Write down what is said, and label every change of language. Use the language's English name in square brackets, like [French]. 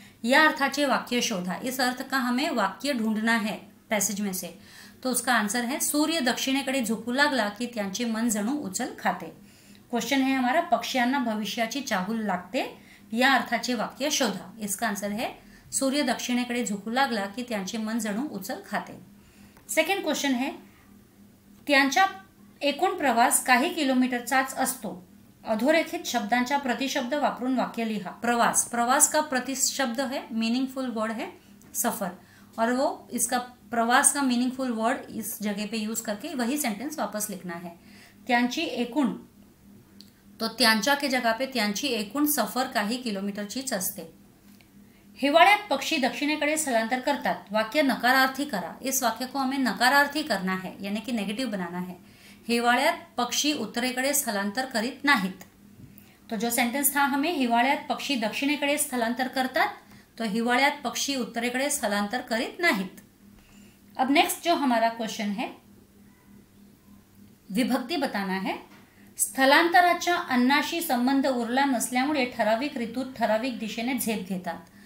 [Marathi] या अर्थाचे वाक्य शोधा, [Hindi] इस अर्थ का हमें वाक्य ढूंढना है पैसेज में से. [Marathi] तो उसका आंसर है सूर्य दक्षिणेकडे झुकू लागला की त्यांचे मन जणू उचल खाते. [Hindi] क्वेश्चन है हमारा [Marathi] पक्षियांना भविष्याची चाहूल लागते या अर्थाचे वाक्य शोधा, [Hindi] इसका आंसर है [Marathi] सूर्य दक्षिणेकडे झुकू लागला की त्यांचे मन जणू उचल खाते. सेकंड क्वेश्चन है त्यांचा एकूण प्रवास काही किलोमीटरचाच असतो. अधोरेखित शब्दांचा प्रतिशब्द वापरून वाक्य लिहा. [Hindi] प्रवास, प्रवास का प्रतिशब्द है, मीनिंगफुल वर्ड है सफर, और वो इसका प्रवास का मीनिंगफुल वर्ड इस जगह पे यूज करके वही सेंटेंस वापस लिखना है. [Marathi] त्यांची एकूण, तो त्यांचा के जगह पे त्यांची एकूण सफर काही किलोमीटरचीच असते. हिवाळ्यात पक्षी दक्षिणेकडे स्थलांतर करतात, वाक्य नकारार्थी करा. [Hindi] इस वाक्य को हमें नकारार्थी करना है, यानी कि नेगेटिव बनाना है. [Marathi] हिवाळ्यात पक्षी उत्तरेकडे स्थलांतर करीत नाहीत. [Hindi] तो जो सेंटेंस था हमें [Marathi] हिवाळ्यात पक्षी दक्षिणेकडे स्थलांतर करतात, तो हिवाळ्यात पक्षी उत्तरेकडे स्थलांतर करीत नाहीत. [Hindi] अब नेक्स्ट जो हमारा क्वेश्चन है विभक्ति बताना है. [Marathi] स्थलांतराच्या अन्नाशी संबंध उरला नसल्यामुळे ठराविक ऋतु ठराविक दिशेने झेप घेतात.